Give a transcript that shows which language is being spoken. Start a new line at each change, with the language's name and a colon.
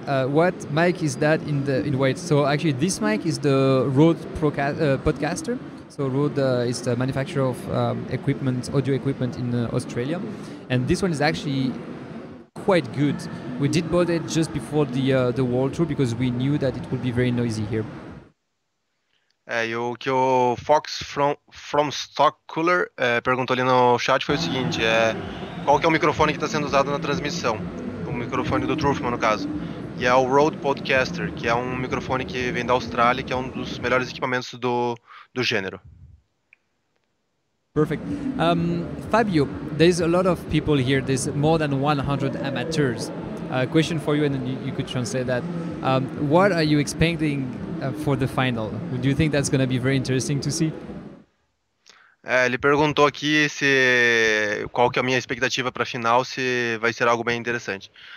English: What mic is that in the in white? So actually, this mic is the Rode Podcaster. So Rode is the manufacturer of equipment, audio equipment in Australia, and this one is actually quite good. We did bought it just before the world tour because we knew that it would be very noisy here.
Portuguese: O que o Fox from Stock Cooler perguntou ali no chat foi o seguinte, qual que é o microfone que está sendo usado na transmissão? O microfone do Truffman, no caso. E é o Rode Podcaster, que é um microfone que vem da Austrália, que é um dos melhores equipamentos do gênero.
English: Perfect. Fabio, there's a lot of people here, there's more than 100 amateurs. A question for you, and then you could translate that. What are you expecting for the final? Do you think that's going to be very interesting to see?
Portuguese: Ele perguntou aqui se qual que é a minha expectativa para a final, se vai ser algo bem interessante.